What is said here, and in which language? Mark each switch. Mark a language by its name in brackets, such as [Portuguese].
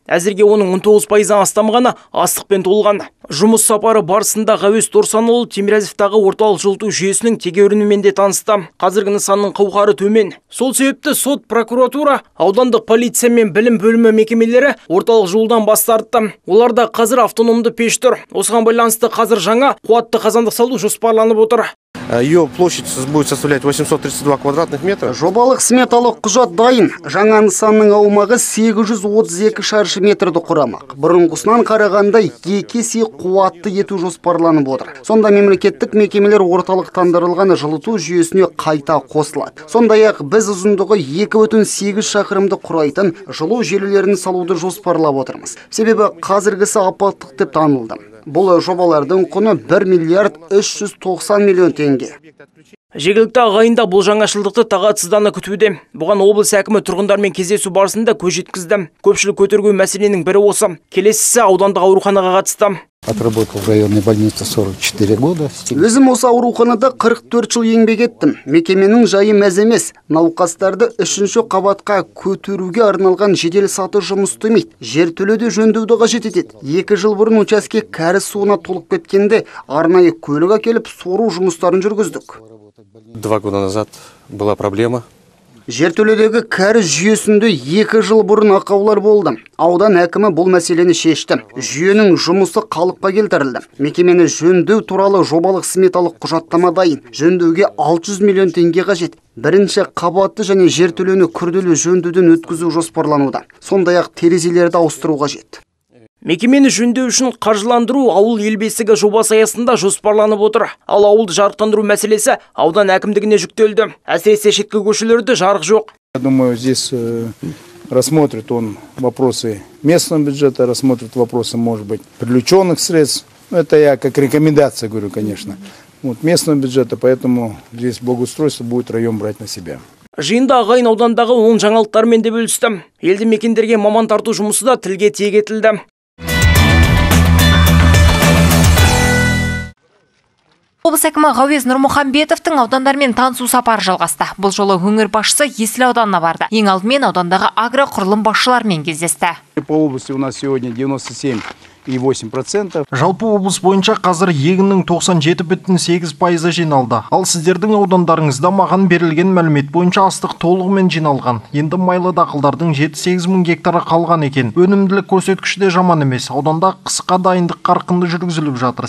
[Kazakh] Әзірге оның 19%-ан астамы ғана астықпен толған. Жұмыс сапары барысында Ғауез Торсанұлы Тимирязевтағы орталық жылыту жүйесінің тегеурінімен де танысты. Қазіргі нысанның қауқары төмен. Сол себепті сот, прокуратура, аудандық полиция мен білім бөлімі мекемелері орталық жолдан бас тартты. Оларда қазір автономды пеш тұр. Осыған байланысты қазір жаңа қуатты қазандық салу жоспарланып отыр. [Russian] Ее площадь будет составлять 832 квадратных метра. [Kazakh] Жобалық сметалық құжат дайын. Жаңа нысанның аумағы 832 шаршы метрді құрамақ. Бұрынғысынан қарағанда екесе қуатты ету жоспарланып отыр. Сонда мемлекеттік мекемелер орталықтандырылған жылыту жүйесіне қайта қосылады. Сондай-ақ біз ұзындығы 2,8 шақырымды құрайтын жылу желілерін салуды жоспарлап отырмыз. Себебі қазіргісі апаттық деп танылды. Бұл жобалардың құны 1 миллиард 390 миллион теңге. Жергілікті ағайында бұл жаңашылдықты тағатсыздана күтуде. Бұған облыс әкімі тұрғындармен кездесу барысында көз жеткізді. Көпшілік көтерген мәселенің бірі осы. Келесісі аудандық ауруханаға қатысты. [Russian] Отработал в районной больнице 44 года. [Kazakh] Өзім осы ауруханада 44 жыл еңбек еттім. Мекеменің жайы мәз емес. Науқастарды үшінші қабатқа көтеруге арналған жедел саты жұмыс істемейді. Жертөледе жөндеуді қажет етеді. 2 жыл бұрын учаске кәріз суына толып кеткенде арнайы көлік әкеліп сору жұмыстарын жүргіздік. [Russian] 2 года назад была проблема. [Kazakh] Жертөледегі кәріз жүйесінде 2 жыл бұрын ақаулар болды. Аудан әкімі бұл мәселені шешті. Жүйенің жұмысы қалыпқа келтірілді. Мекемені жөндеу туралы жобалық сметалық құжаттама дайын. Жөндеуге 600 миллион теңге қажет. Бірінші қабатты және жертөлені күрделі жөндеуден өткізу жоспарлануда. Сондай-ақ терезелерді ауыстыру қажет. Мекемені жөндеу үшін қаржыландыру ауыл ел бесігі жобасы аясында жоспарланып отыр. Ал ауылды жарықтандыру мәселесі аудан әкімдігіне жүктелді. Әсіресе шеткі көшелерде жарық жоқ. [Russian] Я думаю, здесь рассмотрит он вопросы местного бюджета, рассмотрит вопросы, может быть, привлеченных средств. Ну, это я как рекомендация говорю, конечно. Вот местного бюджета, поэтому здесь благоустройство будет район брать на себя. [Kazakh] Жиында ағайын аудандағы 10 жаңалықтармен де бөлісті. Елді мекендерге маман тарту жұмысы да тілге тиек етілді. Облыс әкімі Ғауез Нұрмұхамбетовтың аудандармен танысу сапары жалғасты. Бұл жолы өңір басшысы Есіл ауданына барды. Ең алдымен аудандағы агроқұрылым басшыларымен кездесті. [Russian] По области у нас сегодня 97 8%. [Kazakh] Жалпы облыс бойынша қазір егіннің 97,8% жиналды. Ал сіздердің аудандарыңызда маған берілген мәлімет бойынша астық толығымен жиналған. Енді майлы дақылдардың 7-8 мың гектары қалған екен. Өнімділік көрсеткіші де жаман емес. Ауданда қысқа дайындық қарқынды жүргізіліп жатыр.